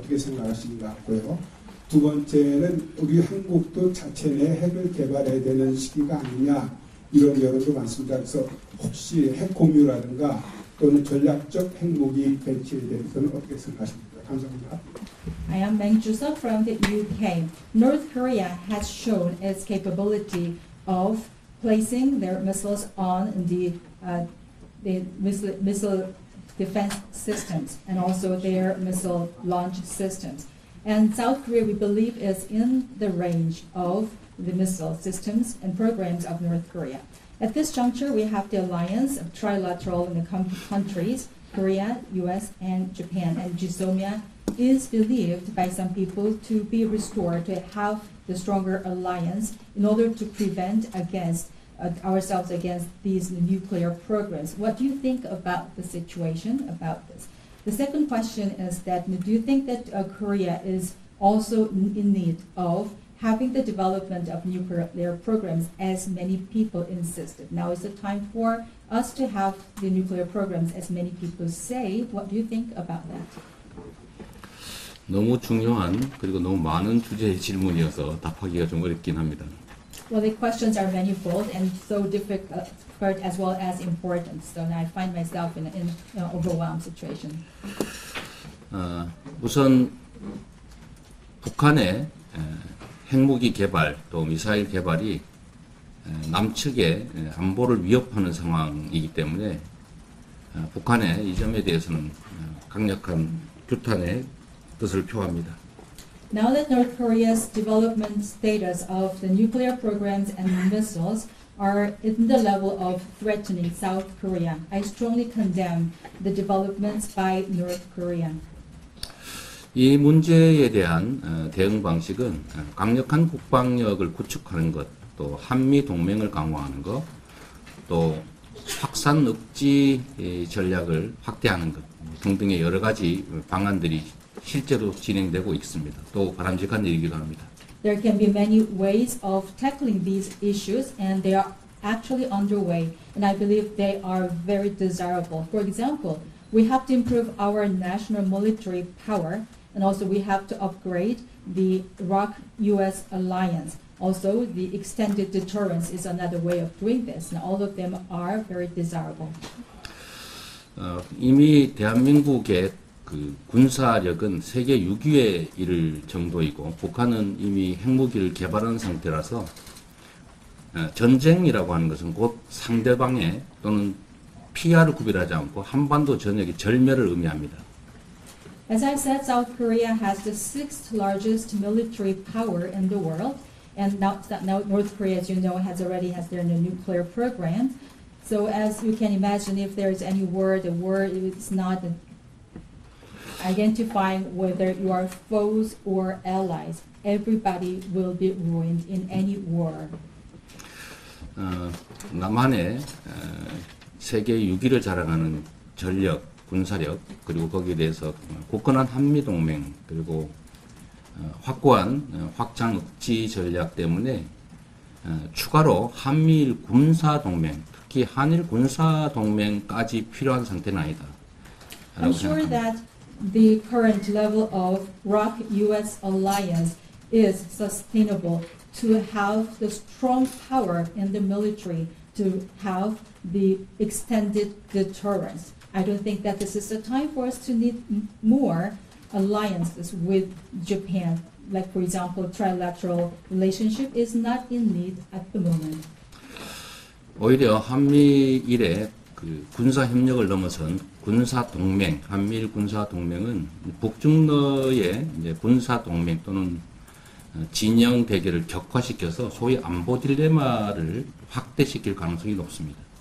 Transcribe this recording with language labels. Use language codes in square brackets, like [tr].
[ko] 어떻게 생각하시는 것 같고요. 두 번째는 우리 한국도 자체 내 핵을 개발해야 되는 시기가 아니냐 이런 여론도 많습니다. 그래서 혹시 핵 공유라든가 또는 전략적 핵무기 배치에 대해서는 어떻게 생각하십니까? 감사합니다. [en] I am Meng Joo-seop from the UK. North Korea has shown its capability of placing their missiles on the missile defense systems and also their missile launch systems. And South Korea, we believe, is in the range of the missile systems and programs of North Korea. At this juncture, we have the alliance of trilateral and the countries, Korea, U.S., and Japan, and GSOMIA is believed by some people to be restored to have the stronger alliance in order to prevent against ourselves against these nuclear programs. What do you think about the situation about this? The second question is that do you think that Korea is also in need of having the development of nuclear programs as many people insisted? Now is the time for us to have the nuclear programs as many people say. What do you think about that? [ko] 너무 중요한 그리고 너무 많은 주제의 질문이어서 답하기가 좀 어렵긴 합니다. [en] Well, the questions are manifold and so difficult as well as important. So now I find myself in an overwhelmed situation. [ko] 우선 북한의 핵무기 개발 또 미사일 개발이 남측의 안보를 위협하는 상황이기 때문에 북한의 이 점에 대해서는 강력한 규탄의 뜻을 표합니다. [en] Now that North Korea's development status of the nuclear programs and missiles are in the level of threatening South Korea, I strongly condemn the developments by North Korea. [ko] 이 문제에 대한 대응 방식은 강력한 국방력을 구축하는 것, 또 한미 동맹을 강화하는 것, 또 확산 억제 전략을 확대하는 것 등등의 여러 가지 방안들이 실제로 진행되고 있습니다. 또 바람직한 일이기도 합니다. [en] There can be many ways of tackling these issues and they are actually underway and I believe they are very desirable. For example, we have to improve our national military power and also we have to upgrade the ROK-US alliance. Also, the extended deterrence is another way of doing this and all of them are very desirable. [ko] 이미 대한민국의 그 군사력은 세계 6위에 이를 정도이고 북한은 이미 핵무기를 개발한 상태라서 전쟁이라고 하는 것은 곧 상대방의 또는 피하를 구별하지 않고 한반도 전역의 절멸을 의미합니다. [en] As I said, South Korea has the sixth largest military power in the world, and now North Korea, as you know, has already has their nuclear program. So as you can imagine, if there is any war, the war is not identifying whether you are foes or allies, everybody will be ruined in any war. [ko] 남한의 세계 6위를 자랑하는 전력, 군사력, 그리고 거기에 대해서 굳건한 한미동맹, 그리고 확고한 확장 억지 전략 때문에 추가로 한미일 군사동맹, 특히 한일 군사동맹까지 필요한 상태는 아니다. [en] I'm sure that the current level of ROK-US alliance is sustainable to have the strong power in the military to have the extended deterrence. I don't think that this is the time for us to need more alliances with Japan. Like, for example, trilateral relationship is not in need at the moment. [ko] 오히려 한미일의 그 군사 협력을 넘어선 군사 동맹, 한미일 군사 동맹은 북중러의 이제 군사 동맹 또는 진영 대결을 격화시켜서 소위 안보 딜레마를 확대시킬 가능성이 높습니다.